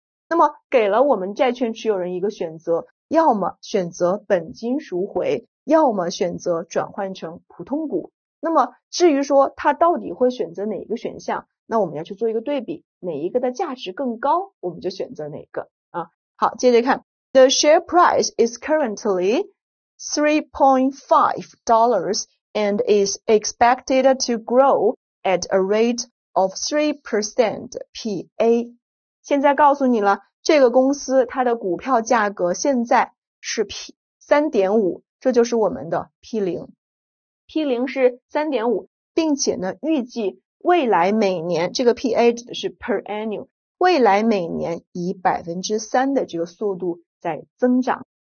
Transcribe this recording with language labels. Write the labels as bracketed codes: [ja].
[zh] 那么给了我们债券持有人一个选择，要么选择本金赎回，要么选择转换成普通股。那么至于说他到底会选择哪一个选项，那我们要去做一个对比，哪一个的价值更高，我们就选择哪个啊。好，接着看。 [en] The share price is currently $3.5 and is expected to grow at a rate of 3% PA。 [zh] 现在告诉你了，这个公司它的股票价格现在是 P 3.5，这就是我们的 P0。 P0 是 3.5， 并且呢预计未来每年，这个 PA 指的是 [en] per annual， [zh] 未来每年以 3% 的这个速度在增长。